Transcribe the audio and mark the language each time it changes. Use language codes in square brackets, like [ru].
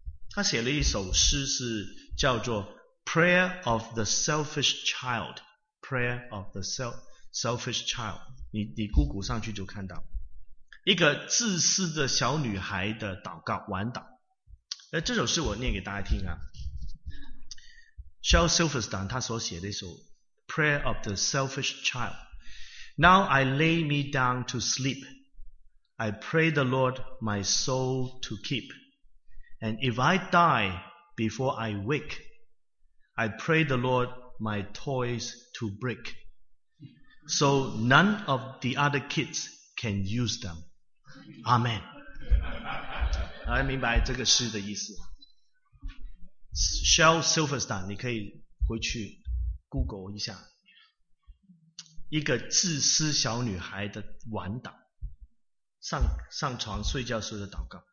[zh] 他写了一首诗，是叫做 Prayer of the Selfish Child， Prayer of the Selfish Child， 你 Google 上去就看到一个自私的小女孩的祷告晚祷。这首诗我念给大家听啊。 Shel Silverstein 他所写的一首 Prayer of the Selfish Child。 [en] Now I lay me down to sleep, I pray the Lord my soul to keep, and if I die before I wake, I pray the Lord my toys to break, so none of the other kids can use them. Amen。 [zh] 大家明白这个诗的意思。Shel Silverstein， 你可以回去 Google 一下，一个自私小女孩的晚祷，上床睡觉时的祷告。